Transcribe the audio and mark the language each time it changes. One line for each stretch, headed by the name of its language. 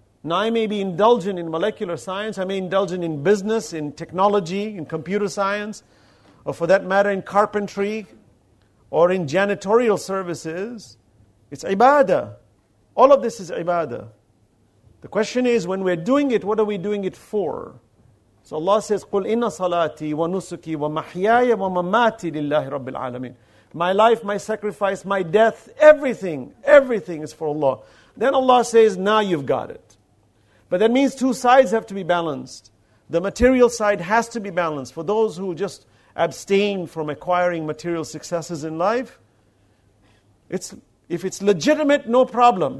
English: Now I may be indulgent in molecular science, I may indulgent in business, in technology, in computer science, or for that matter in carpentry, or in janitorial services. It's ibadah. All of this is ibadah. The question is, when we're doing it, what are we doing it for? So Allah says,
Arabic: قُلْ إِنَّ صَلَاتِي وَنُسُكِي وَمَحْيَايَ وَمَمَاتِي لِلَّهِ رَبِّ الْعَالَمِينَ.
English: My life, my sacrifice, my death, everything is for Allah. Then Allah says, now you've got it. But that means two sides have to be balanced. The material side has to be balanced. For those who just abstain from acquiring material successes in life, if it's legitimate, no problem.